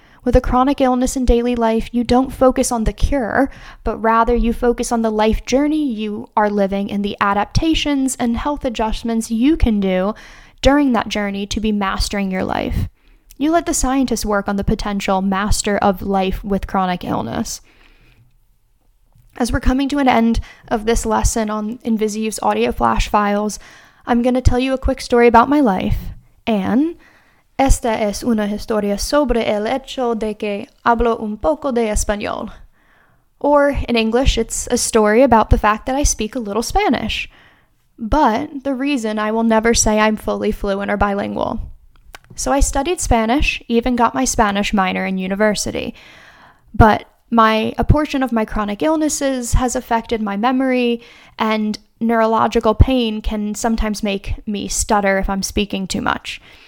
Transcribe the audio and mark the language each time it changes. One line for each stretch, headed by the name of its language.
English: With a chronic illness in daily life, you don't focus on the cure, but rather you focus on the life journey you are living and the adaptations and health adjustments you can do during that journey to be mastering your life. You let the scientists work on the potential master of life with chronic illness. As we're coming to an end of this lesson on Invisiuth's audio flash files, I'm going to tell you a quick story about my life.
Spanish: And esta es una historia sobre el hecho de que hablo un poco de español.
English: Or in English, it's a story about the fact that I speak a little Spanish. But the reason I will never say I'm fully fluent or bilingual. So I studied Spanish, even got my Spanish minor in university. But a portion of my chronic illnesses has affected my memory, and neurological pain can sometimes make me stutter if I'm speaking too much.